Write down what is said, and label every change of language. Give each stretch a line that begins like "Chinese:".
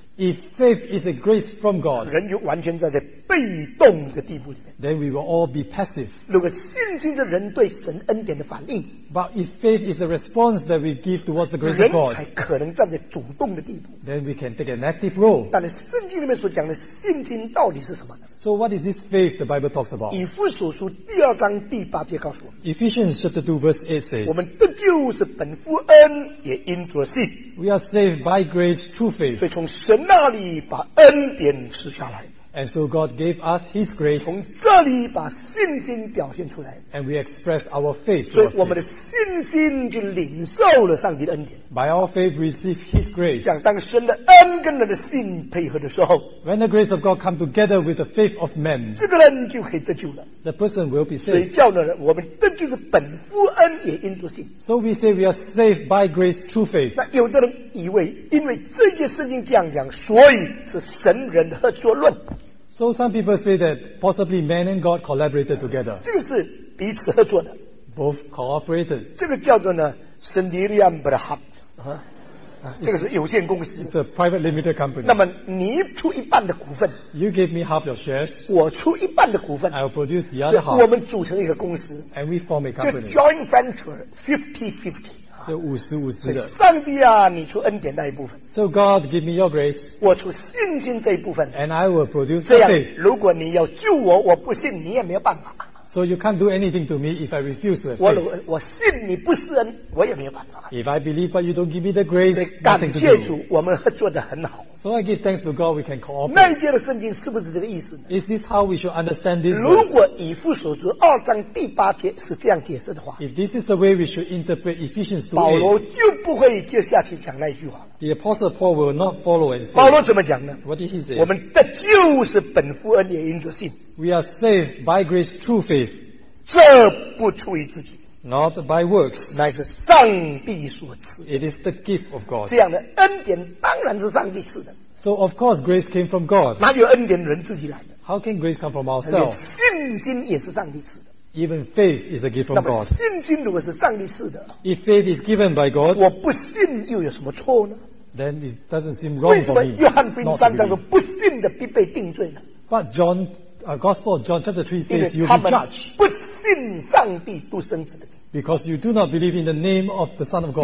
English: If faith is a grace from God,
Chinese: 人就完全站在被动的地步里面。
English: Then we will all be passive.
Chinese: 如果信心是人对神恩典的反应，
English: But if faith is the response that we give towards the grace of God,
Chinese: 人才可能站在主动的地步。
English: Then we can take an active role.
Chinese: 但是圣经里面所讲的信心到底是什么呢？
English: So what is this faith the Bible talks about?
Chinese: 以弗所书第二章第八节告诉我们。
English: Ephesians chapter 2 verse 8 says,
Chinese: 我们得救是本乎恩，也因着信。
English: We are saved by grace through faith.
Chinese: 所以从神那里把恩典赐下来。
English: And so God gave us His grace.
Chinese: 从这里把信心表现出来。
English: And we express our faith.
Chinese: 所以我们的信心就领受了上帝的恩典。
English: By our faith, we receive His grace.
Chinese: 像当神的恩跟人的信配合的时候，
English: When the grace of God come together with the faith of men,
Chinese: 这个人就可以得救了。
English: The person will be saved.
Chinese: 所以叫了我们得救是本乎恩，也因着信。
English: So we say we are saved by grace through faith.
Chinese: 那有的人以为，因为这些圣经这样讲，所以是神人合作论。
English: So some people say that possibly man and God collaborated together.
Chinese: 这个是彼此合作的。
English: Both cooperated.
Chinese: 这个叫做呢 ，
Malay: Sendirian berhad，
Chinese: 这个是有限公司。
English: It's a private limited company.
Chinese: 那么你出一半的股份。
English: You give me half your shares.
Chinese: 我出一半的股份。
English: I will produce the other half.
Chinese: 我们组成一个公司。
English: And we form a company.
Chinese: 就
English: joint venture 50-50。
Chinese: 就五十五十的。上帝啊，你出恩典那一部分。
English: So God, give me your grace.
Chinese: 我出信心这一部分。
English: And I will produce
Chinese: 这样。如果你要救我，我不信，你也没有办法。
English: So you can't do anything to me if I refuse to have faith.
Chinese: 我信你不是恩，我也没有办法。
English: If I believe but you don't give me the grace, nothing to do.
Chinese: 感谢主，我们做得很好。
English: So I give thanks to God, we can cooperate.
Chinese: 那一节的圣经是不是这个意思呢？
English: Is this how we should understand this?
Chinese: 如果以弗所书二章第八节是这样解释的话，
English: If this is the way we should interpret Ephesians 2:8,
Chinese: 保罗就不会接下去讲那一句话。
English: The apostle Paul will not follow and say.
Chinese: 保罗怎么讲呢？
English: What did he say?
Chinese: 我们得救是本乎恩，也因着信。
English: We are saved by grace through faith.
Chinese: 这不出于自己。
English: Not by works.
Chinese: 乃是上帝所赐。
English: It is the gift of God.
Chinese: 这样的恩典当然是上帝赐的。
English: So of course grace came from God.
Chinese: 哪有恩典人自己来的？
English: How can grace come from ourselves?
Chinese: 信心也是上帝赐的。
English: Even faith is a gift from God.
Chinese: 那么信心如果是上帝赐的，
English: If faith is given by God,
Chinese: 我不信又有什么错呢？
English: Then it doesn't seem wrong for me.
Chinese: 为什么约翰福音三章说不信的必被定罪呢？
English: But John, Gospel of John chapter 3 says you will be judged.
Chinese: 不信上帝独生子的。
English: Because you do not believe in the name of the Son of God.